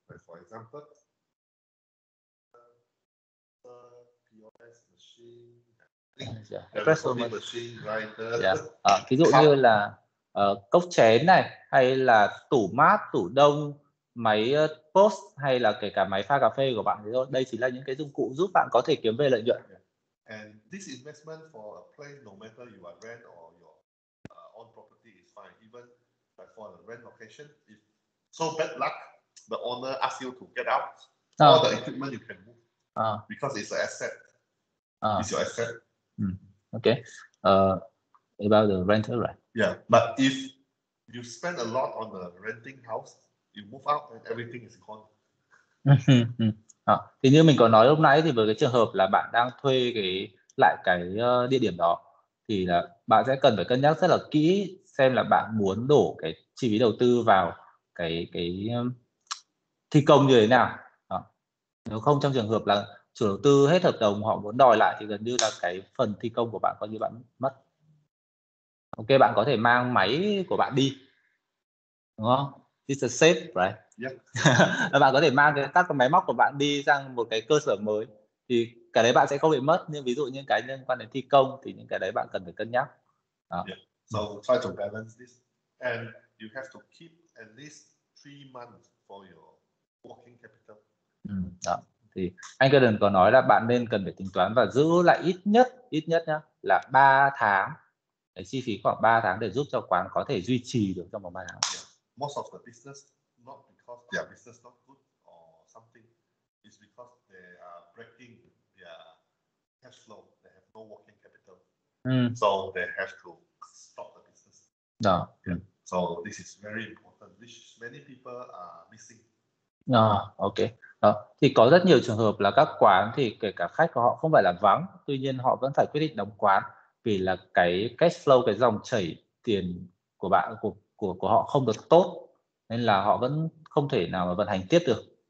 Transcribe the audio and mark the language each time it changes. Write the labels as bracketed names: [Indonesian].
[English] For example, the POS machine, the espresso machine, grinder. [Vietnamese] Ví dụ như là cốc chén này hay là tủ mát, tủ đông, máy post hay là kể cả máy pha cà phê của bạn thì thôi. Đây chính là những cái dụng cụ giúp bạn có thể kiếm về lợi nhuận. [English] And this investment for a place, no matter you are rent or your own property is fine. Even like for a rent location, if so bad luck, the owner asks you to get out, all the equipment you can move. Because it's an asset. It's your asset. Okay. About the rental, right? Yeah, but if you spend a lot on the renting house, you move out and everything is gone. [Vietnamese] Thì như mình có nói lúc nãy thì với cái trường hợp là bạn đang thuê cái lại cái địa điểm đó thì là bạn sẽ cần phải cân nhắc rất là kỹ xem là bạn muốn đổ cái chi phí đầu tư vào cái thi công như thế nào. Nếu không trong trường hợp là chủ đầu tư hết hợp đồng họ muốn đòi lại thì gần như là cái phần thi công của bạn coi như bạn mất. Ok, bạn có thể mang máy của bạn đi. Đúng không? [English] It's a safe, right? Yeah. [Vietnamese] Bạn có thể mang các máy móc của bạn đi sang một cái cơ sở mới thì cái đấy bạn sẽ không bị mất, nhưng ví dụ như cái liên quan đến thi công thì những cái đấy bạn cần phải cân nhắc. Đó. [English] Yeah. So try to balance this and you have to keep at least 3 months for your working capital. [Vietnamese] Đó. Thì anh Gordon có nói là bạn nên cần phải tính toán và giữ lại ít nhất nhá là 3 tháng. Cái chi phí khoảng 3 tháng để giúp cho quán có thể duy trì được trong vòng 3 tháng. [English] Yeah. Most of the business, not because their business not good or something, it's because they are breaking their cash flow. They have no working capital, so they have to stop the business. No. Yeah. So this is very important, which many people are missing. No. Okay. Đó. [Vietnamese] Thì có rất nhiều trường hợp là các quán thì kể cả khách của họ không phải là vắng, tuy nhiên họ vẫn phải quyết định đóng quán vì là cái cash flow, cái dòng chảy tiền của bạn của họ không được tốt nên là họ vẫn không thể nào mà vận hành tiếp được.